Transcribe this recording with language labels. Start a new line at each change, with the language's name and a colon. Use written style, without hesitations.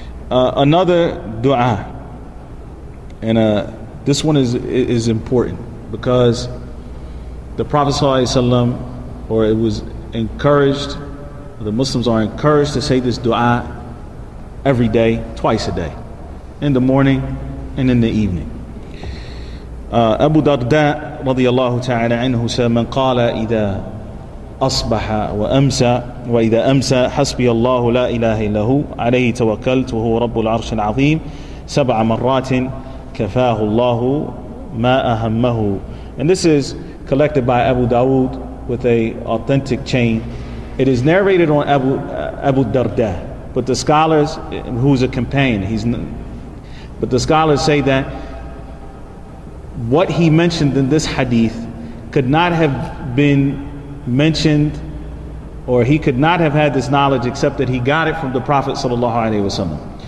English: Another dua, and this one is important, because the Prophet sallallahu alayhi wa sallam, or it was encouraged, the Muslims are encouraged to say this dua every day, twice a day, in the morning and in the evening. Abu Darda radiallahu ta'ala anhu said,
Arabic: من قال إذا أصبح وأمسى وإذا أمسى حسبي الله لا إله إلا هو عليه توكلت وهو رب العرش العظيم سبع مرات كفاه الله ما أهمه.
English: And this is collected by Abu Dawood with a authentic chain. It is narrated on Abu Darda, but the scholars, who's a companion, but the scholars say that what he mentioned in this hadith could not have been mentioned, or he could not have had this knowledge except that he got it from the Prophet sallallahu alaihi wasallam.